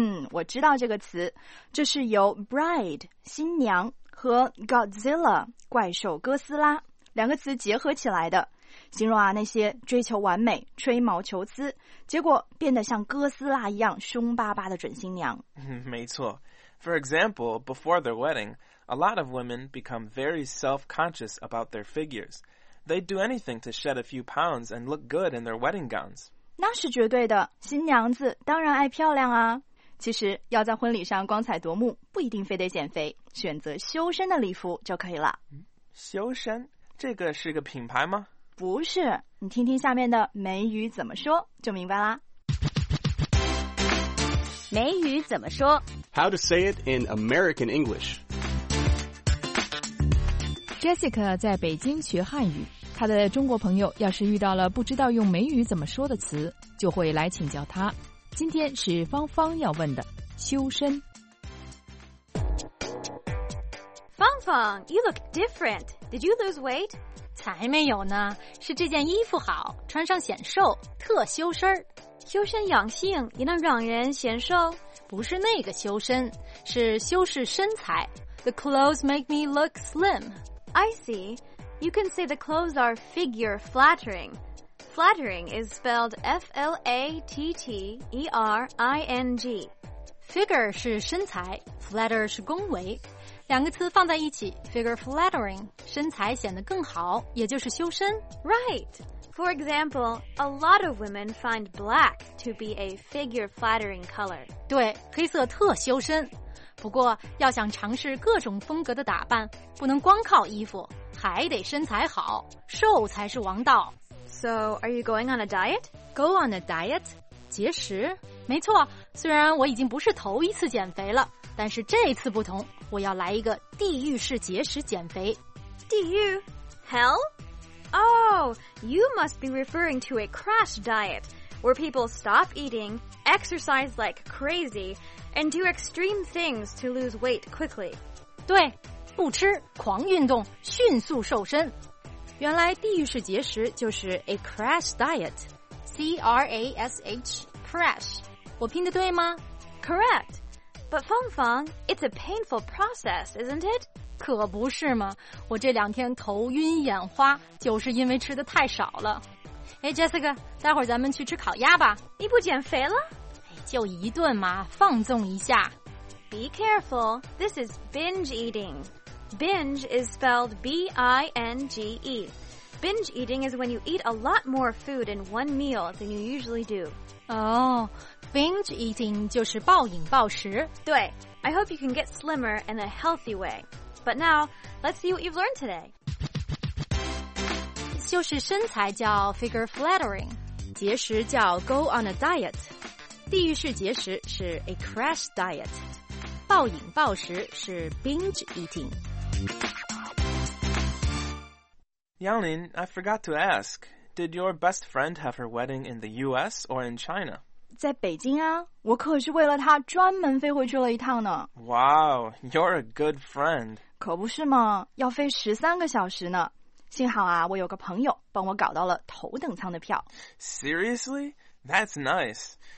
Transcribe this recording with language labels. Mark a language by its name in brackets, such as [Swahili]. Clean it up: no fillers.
[Chinese] 我知道这个词，这是由 bride 新娘和 Godzilla 怪兽哥斯拉两个词结合起来的，形容啊那些追求完美、吹毛求疵，结果变得像哥斯拉一样凶巴巴的准新娘。没错。 [English] For example, before their wedding, a lot of women become very self-conscious about their figures. They'd do anything to shed a few pounds and look good in their wedding gowns. [Chinese] 那是绝对的，新娘子当然爱漂亮啊。其实要在婚礼上光彩夺目，不一定非得减肥，选择修身的礼服就可以了。修身？这个是个品牌吗？不是，你听听下面的美语怎么说就明白啦。美语怎么说？ [English] How to say it in American English. [Chinese] Jessica 在北京学汉语，她的中国朋友要是遇到了不知道用美语怎么说的词，就会来请教她。今天是芳芳要问的修身。 [English] 芳芳， you look different. Did you lose weight? [Chinese] 才没有呢，是这件衣服好，穿上显瘦，特修身。修身养性也能让人显瘦？不是那个修身，是修饰身材。 [English] The clothes make me look slim. I see. You can say the clothes are figure flattering. Flattering is spelled F-L-A-T-T-E-R-I-N-G. [Chinese] Figure 是身材， flatter 是恭维。两个词放在一起， figure flattering， 身材显得更好，也就是修身。 [English] Right. For example, a lot of women find black to be a figure flattering color. [Chinese] 对，黑色特修身。不过要想尝试各种风格的打扮，不能光靠衣服，还得身材好，瘦才是王道。 [English] So, are you going on a diet? Go on a diet? [Chinese] 节食？没错，虽然我已经不是头一次减肥了，但是这次不同，我要来一个地狱式节食减肥。地狱？ [English] Hell? Oh, you must be referring to a crash diet, where people stop eating, exercise like crazy, and do extreme things to lose weight quickly. [Chinese] 对，不吃，狂运动，迅速瘦身。原来地狱式节食就是 a crash diet, C-R-A-S-H, crash. 我拼得对吗？ [English] Correct. But Feng Feng, it's a painful process, isn't it? [Chinese] 可不是嘛，我这两天头晕眼花，就是因为吃的太少了。哎 ，Jessica， 待会儿咱们去吃烤鸭吧。你不减肥了？就一顿嘛，放纵一下。 [English] Be careful, this is binge eating. Binge is spelled B-I-N-G-E. Binge eating is when you eat a lot more food in one meal than you usually do. [Chinese] Oh, binge eating 就是暴饮暴食。对 [English] ，I hope you can get slimmer in a healthy way. But now, let's see what you've learned today. [Chinese] 就是身材叫 figure flattering, 节食叫 go on a diet, 地狱式节食是 a crash diet, 暴饮暴食是 binge eating. [English] Yanlin, I forgot to ask, did your best friend have her wedding in the US or in China? [Chinese] 在北京啊，我可是为了他专门飞回去了一趟呢。 [English] Wow, you're a good friend. [Chinese] 可不是吗？要飞13个小时呢。幸好啊，我有个朋友帮我搞到了头等舱的票。 [English] Seriously? That's nice.